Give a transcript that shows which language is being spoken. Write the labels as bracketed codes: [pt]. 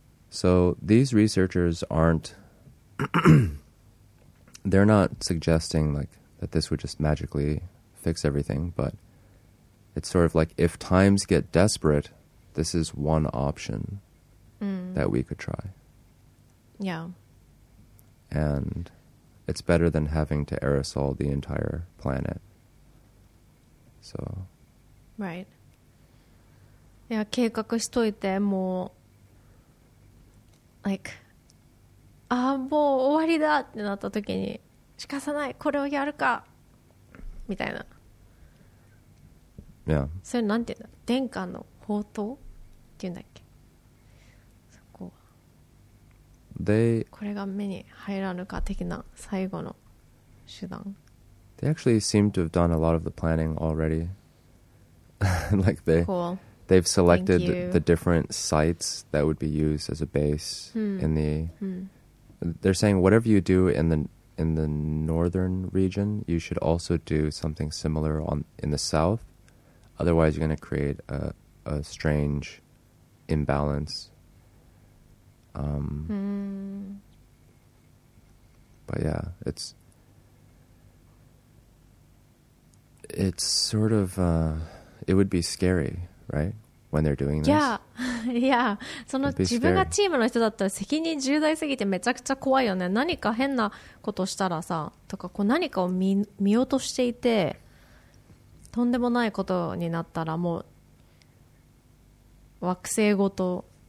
[en] So these researchers aren't, they're not suggesting like that this would just magically fix everything, but it's sort of like if times get desperate, this is one option that we could try. Yeah. And it's better than having to aerosol the entire planet. So. Right. [ja] Yeah, 計画しといてもう like ああもう終わりだってなった時に仕方ないこれをやるかみたいな。 [en] Yeah. [ja] それなんていうんだ殿下の宝刀っていうんだっけ。これが目に入らぬか的な最後の手段。 [en] They actually seem to have done a lot of the planning already. Like they, they've selected the different sites that would be used as a base in the. They're saying whatever you do in the northern region, you should also do something similar on in the south. Otherwise, you're going to create a strange imbalance. But yeah, it's sort of it would be scary, right? When they're doing this. Yeah, yeah. [ja] その自分がチームの人だったら責任重大すぎてめちゃくちゃ怖いよね。何か変なことしたらさ、とかこう何かを 見落としていて、とんでもないことになったらもう惑星ごと。